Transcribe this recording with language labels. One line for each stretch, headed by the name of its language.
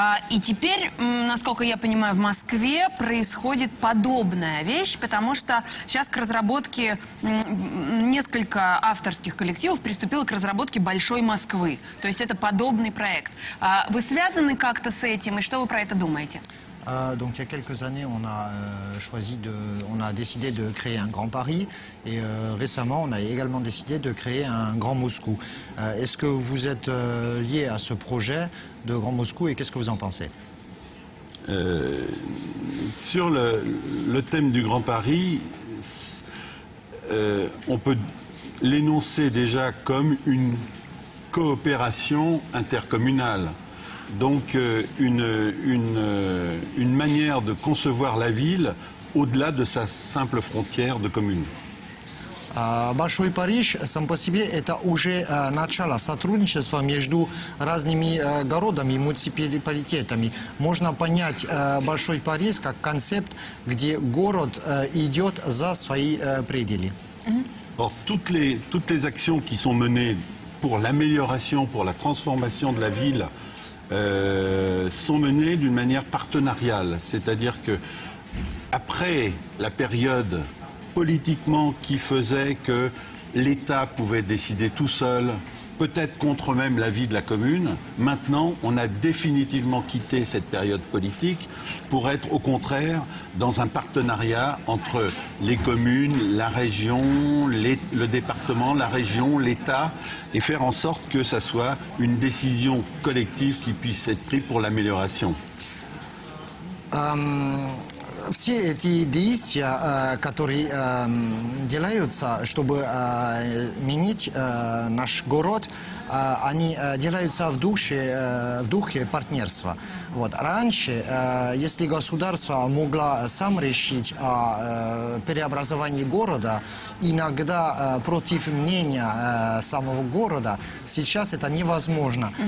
Russian: И теперь, насколько я понимаю, в Москве происходит подобная вещь, потому что сейчас к разработке несколько авторских коллективов приступило к разработке Большой Москвы. То есть это подобный проект. Вы связаны как-то с этим, и что вы про это думаете?
French: Donc il y a quelques années, on a décidé de créer un Grand Paris et récemment, on a également décidé de créer un Grand Moscou. Est-ce que vous êtes lié à ce projet de Grand Moscou et qu'est-ce que vous en pensez ? Sur le thème du Grand Paris, on peut l'énoncer déjà comme une coopération intercommunale. Donc une manière de concevoir la ville au-delà de sa simple frontière de commune.
Russian: Большой Париж сам по себе это уже начало сотрудничества между разными городами и муниципалитетами. Можно понять Большой Париж как концепт, где город идет за свои пределы.
French: Alors, toutes les actions qui sont menées pour l'amélioration, pour la transformation de la ville, sont menées d'une manière partenariale, c'est-à-dire que après la période politiquement qui faisait que l'État pouvait décider tout seul, peut-être contre même l'avis de la commune, maintenant on a définitivement quitté cette période politique pour être au contraire dans un partenariat entre les communes, la région, le département, la région, l'État, et faire en sorte que ça soit une décision collective qui puisse être prise pour l'amélioration.
Russian: Все эти действия, которые делаются, чтобы менять наш город, они делаются в духе партнерства. Вот. Раньше, если государство могло сам решить о преобразовании города, иногда против мнения самого города, сейчас это невозможно.